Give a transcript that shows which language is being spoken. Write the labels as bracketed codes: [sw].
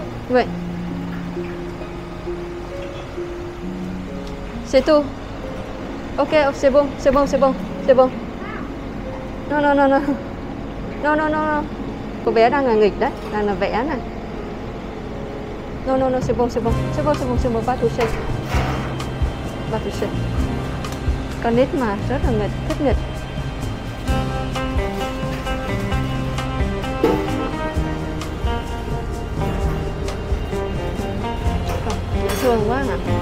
[fr] Oui. C'est tout. Ok, c'est bon, c'est bon, c'est bon, c'est bon. Non, non, non, non. Non, non, non. [vi] Cô bé đang là nghịch đấy, đang là vẽ này. [fr] Non, non, non, c'est bon, c'est bon. C'est bon, c'est bon, c'est bon, pas touché. Pas touché. [vi] Con nít mà rất là nghịch, thích nghịch. Dễ thương quá nè.